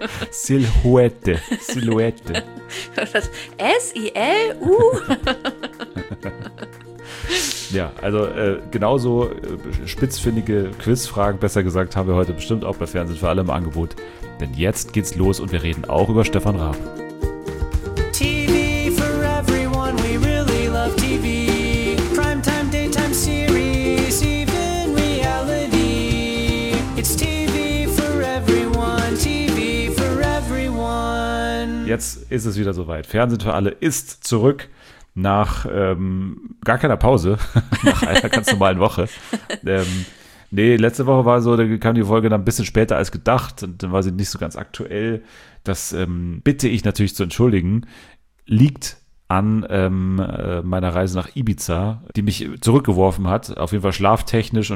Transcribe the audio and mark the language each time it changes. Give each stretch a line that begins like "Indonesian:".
German: Silhouette. Silhouette. S-I-L-U. Ja, also genauso spitzfindige Quizfragen, besser gesagt, haben wir heute bestimmt auch bei Fernsehen für alle im Angebot. Denn jetzt geht's los und wir reden auch über Stefan Raab.
English: TV for everyone, we really love TV. Primetime, daytime series, even reality. It's TV for everyone, TV for everyone.
German: Jetzt ist es wieder soweit. Fernsehen für alle ist zurück. Nach gar keiner Pause, nach einer ganz normalen Woche. Letzte Woche war so, da kam die Folge dann ein bisschen später als gedacht und dann war sie nicht so ganz aktuell. Das bitte ich natürlich zu entschuldigen, liegt an meiner Reise nach Ibiza, die mich zurückgeworfen hat, auf jeden Fall schlaftechnisch.